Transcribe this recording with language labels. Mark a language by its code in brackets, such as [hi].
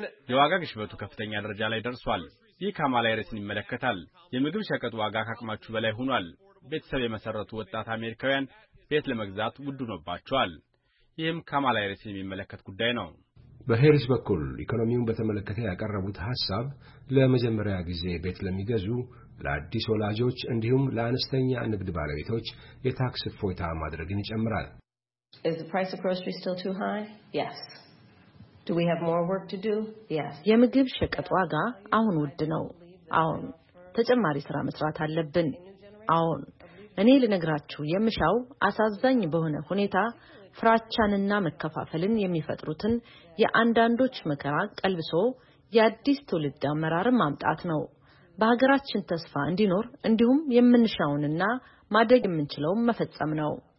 [am] የዋጋ ግሽበቱ ከፍተኛ ደረጃ ላይ ደርሷል። የካማላ ሃሪስን ይመለከታል። የምግብ ሸቀጥ ዋጋ ከአቅማችሁ በላይ ሆኗል። ቤተሰብ የመሰረቱ ወጣት አሜሪካውያን ቤት ለመግዛት ውድ ሆኖባቸዋል። ይህም ካማላ ሃሪስን የሚመለከት ጉዳይ ነው። በሃሪስ በኩል ኢኮኖሚውን በተመለከተ ያቀረቡት ሐሳብ ለመጀመሪያ ጊዜ ቤት ለሚገዙ፣ ለአዲስ ወላጆች እንዲሁም ለአነስተኛ ንግድ ባለቤቶች የታክስ እፎይታ ማድረግን ይጨምራል። [en] Is the price of groceries still too high? Yes. Do we have more work to do? Yes. [am] የምግብ ሸቀጥ ዋጋ አሁን ውድ ነው። አሁን ተጨማሪ ስራ መስራት አለብን። አሁን እኔ ልነግራችሁ የምሻው አሳዛኝ በሆነ ሁኔታ ፍራቻንና መከፋፈልን የሚፈጥሩትን የአንዳንዶች መከራ ቀልብሶ የአዲስ ትውልድ አመራር ማምጣት ነው። በሀገራችን ተስፋ እንዲኖር እንዲሁም የምንሻውንና ማድረግ የምንችለው መፈጸም ነው።